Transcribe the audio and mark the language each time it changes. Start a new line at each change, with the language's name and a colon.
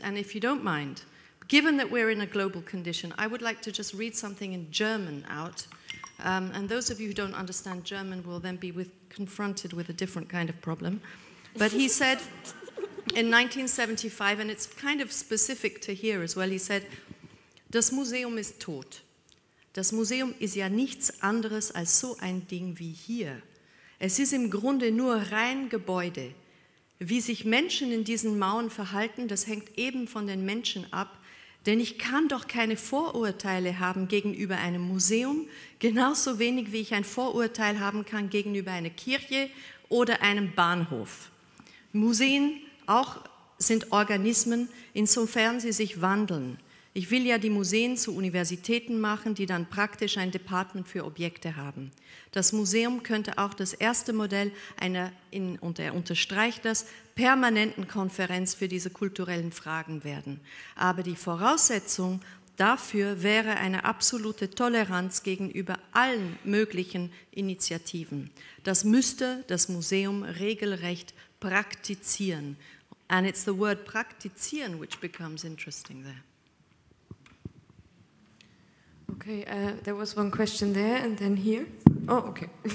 English: And if you don't mind, given that we're in a global condition, I would like to just read something in German out. And those of you who don't understand German will then be confronted with a different kind of problem. But he said in 1975, and it's kind of specific to here as well, he said,
German: "Das Museum ist tot. Das Museum ist ja nichts anderes als so ein Ding wie hier. Es ist im Grunde nur rein Gebäude. Wie sich Menschen in diesen Mauern verhalten, das hängt eben von den Menschen ab. Denn ich kann doch keine Vorurteile haben gegenüber einem Museum, genauso wenig wie ich ein Vorurteil haben kann gegenüber einer Kirche oder einem Bahnhof. Museen auch sind Organismen, insofern sie sich wandeln. Ich will ja die Museen zu Universitäten machen, die dann praktisch ein Department für Objekte haben. Das Museum könnte auch das erste Modell einer, und er unterstreicht das, permanenten Konferenz für diese kulturellen Fragen werden. Aber die Voraussetzung dafür wäre eine absolute Toleranz gegenüber allen möglichen Initiativen. Das müsste das Museum regelrecht praktizieren.
English: And it's the word praktizieren which becomes interesting there. Okay, there was one question there and then here. Oh, okay.